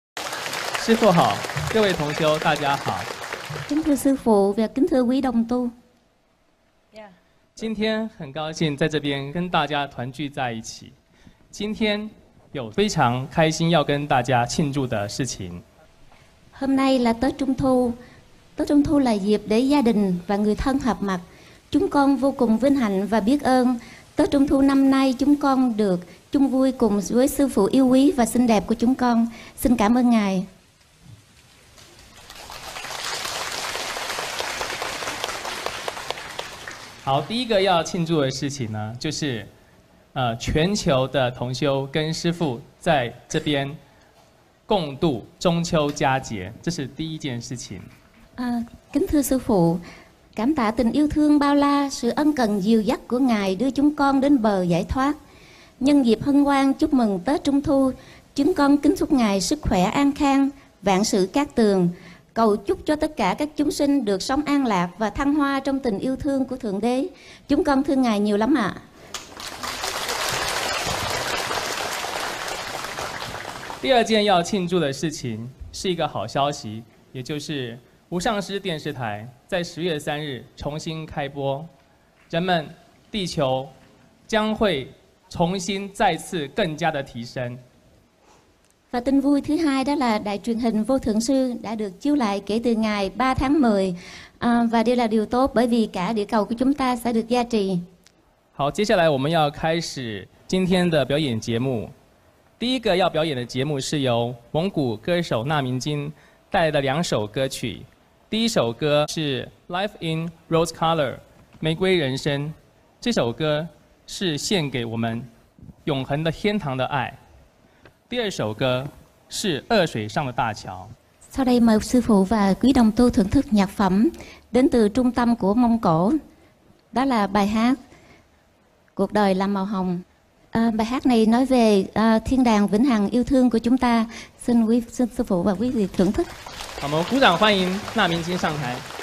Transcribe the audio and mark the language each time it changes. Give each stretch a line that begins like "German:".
Chinese: 师父好，各位同修大家好。跟着师父，不要跟着微动都。今天很高兴在这边跟大家团聚在一起。今天有非常开心要跟大家庆祝的事情。
Vietnamese: Hôm nay là Tết Trung Thu. Tết Trung Thu là dịp để gia đình và người thân họp mặt. Chúng con vô cùng vinh hạnh và biết ơn Tết Trung Thu năm nay chúng con được chung vui cùng với sư phụ yêu quý và xinh đẹp của chúng con. Xin cảm ơn Ngài.
Chinese: Hảo, 第一个要庆祝的事情呢，就是全球的同修跟师父在这边共度中秋佳节，这是第一件事情。
Vietnamese: Kính thưa sư phụ, cảm tạ tình yêu thương bao la, sự ân cần dìu dắt của Ngài đưa chúng con đến bờ giải thoát. Nhân dịp hân hoan chúc mừng Tết Trung Thu, chúng con kính chúc Ngài sức khỏe an khang, vạn sự cát tường. Cầu chúc cho tất cả các chúng sinh được sống an lạc và thăng hoa trong tình yêu thương của Thượng Đế. Chúng con thương Ngài nhiều lắm ạ.
Chinese: 第二件要庆祝的事情是一个好消息，也就是无上师电视台在10月3日重新开播，人们地球将会重新再次更加的提升。
Vietnamese: Và tin vui thứ hai đó là đài truyền hình Vô Thượng Sư đã được chiếu lại kể từ ngày 3 tháng 10, và đây là điều tốt bởi vì cả địa cầu của chúng ta sẽ được gia trì.
Chinese: 好，接下来我们要开始今天的表演节目。第一个要表演的节目是由蒙古歌手纳明金带来的两首歌曲。第一首歌是《Life in Rose Color》，玫瑰人生。这首歌是献给我们永恒的天堂的爱。第二首歌是《恶水上的大桥》。
Vietnamese: Sau đây mời sư phụ và quý đồng tu thưởng thức nhạc phẩm đến từ trung tâm của Mông Cổ. Đó là bài hát "Cuộc đời là màu hồng". Bài hát này nói về thiên đàng vĩnh hằng yêu thương của chúng ta. Xin sư phụ và quý vị thưởng thức.
Chinese: 好，我们鼓掌欢迎纳明金上台。